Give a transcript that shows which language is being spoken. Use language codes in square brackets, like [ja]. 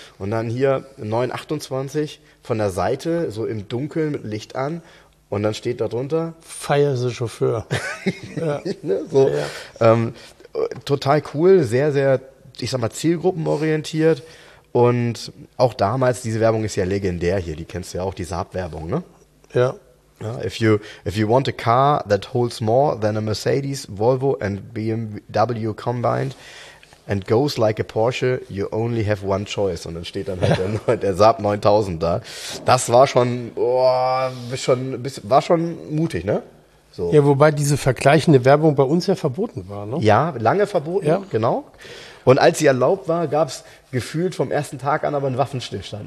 [de] Und dann hier 928 von der Seite, so im Dunkeln mit Licht an. Und dann steht da drunter, feier sie Chauffeur. Ne? So, ja. Total cool, sehr, sehr, ich sag mal, zielgruppenorientiert. Und auch damals, diese Werbung ist ja legendär hier, die kennst du ja auch, die Saab-Werbung, ne? Ja. [en] Ja, if you want a car that holds more than a Mercedes, Volvo and BMW combined and goes like a Porsche, you only have one choice. [de] Und dann steht dann halt der Saab 9000 da. Das war schon mutig, ne? So. Ja, wobei diese vergleichende Werbung bei uns ja verboten war, ne? Ja, lange verboten, ja. Genau. Und als sie erlaubt war, gab es gefühlt vom ersten Tag an aber einen Waffenstillstand.